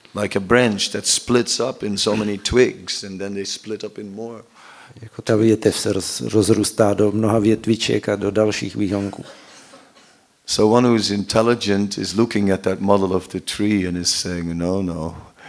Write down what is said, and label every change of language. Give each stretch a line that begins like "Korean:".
English: Like a branch that splits up in so many twigs and then they split up in more.
Czech: Jako ta větev se rozrůstá do mnoha větviček a do dalších výhonků.
English: So one who is intelligent is looking at that model of the tree and is saying no, no.